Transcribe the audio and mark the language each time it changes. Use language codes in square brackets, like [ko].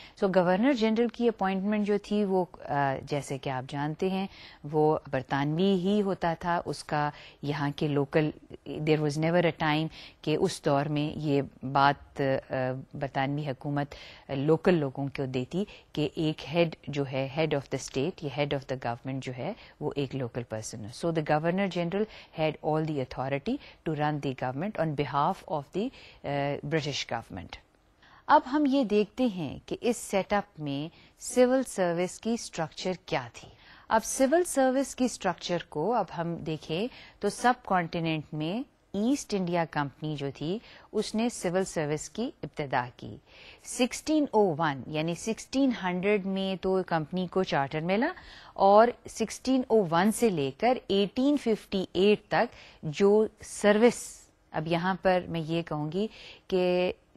[ur] سو governor general کی appointment جو تھی وہ جیسے کہ آپ جانتے ہیں وہ برطانوی ہی ہوتا تھا اس کا, یہاں کے local, [en] there was never a time [ur] کہ اس دور میں یہ بات برطانوی حکومت لوکل لوگوں کو دیتی کہ ایک ہیڈ جو ہے ہیڈ آف دا اسٹیٹ یا ہیڈ آف دا گورنمنٹ جو ہے وہ ایک local person. [en] So the governor general had all the authority to run the government on behalf of the British government. [ur] اب ہم یہ دیکھتے ہیں کہ اس سیٹ اپ میں سول سروس کی اسٹرکچر کیا تھی. اب سول سروس کی اسٹرکچر کو اب ہم دیکھیں تو سب کانٹیننٹ میں ایسٹ انڈیا کمپنی جو تھی اس نے سول سروس کی ابتدا کی 1601, یعنی 1600 میں تو کمپنی کو چارٹر ملا, اور 1601 سے لے کر 1858 تک جو سروس, اب یہاں پر میں یہ کہوں گی کہ